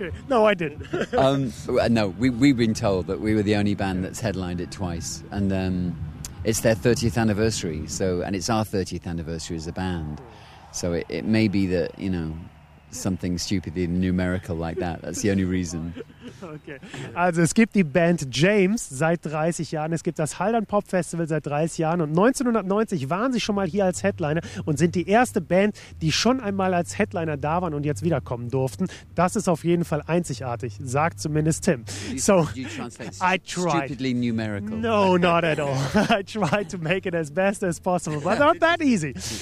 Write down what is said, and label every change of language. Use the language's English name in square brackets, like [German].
[English] Okay. No, I didn't. No, we've been told that we were the only band that's headlined it twice, and it's their 30th anniversary, and it's our 30th anniversary as a band. So it may be that, you know, something stupidly numerical like that. That's the only reason. Okay. [German] Also es gibt die Band James seit 30 Jahren. Es gibt das Haldern Pop Festival seit 30 Jahren. Und 1990 waren sie schon mal hier als Headliner und sind die erste Band, die schon einmal als Headliner da waren und jetzt wiederkommen durften. Das ist auf jeden Fall einzigartig, sagt zumindest Tim. [English] So, I tried. Stupidly numerical. No, not at all. I tried to make it as best as possible, but not that easy.